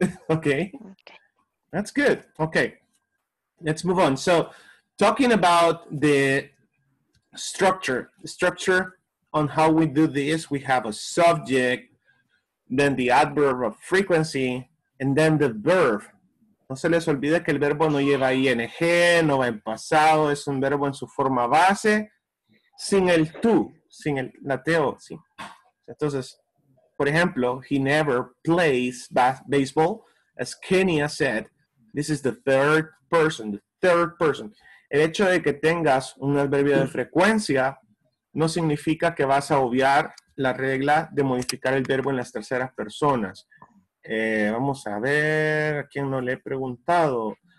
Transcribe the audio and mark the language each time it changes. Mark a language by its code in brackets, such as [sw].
[en] Okay. That's good. Okay, let's move on. So, talking about the structure on how we do this, we have a subject, then the adverb of frequency, and then the verb. [es] No se les olvide que el verbo no lleva ing, no va en pasado, es un verbo en su forma base, sin el tú, sin el nateo, sí. Entonces, por ejemplo, [en] he never plays baseball. As Kenya said, this is the third person. [es] El hecho de que tengas un adverbio de frecuencia no significa que vas a obviar la regla de modificar el verbo en las terceras personas. Vamos a ver a quién no le he preguntado.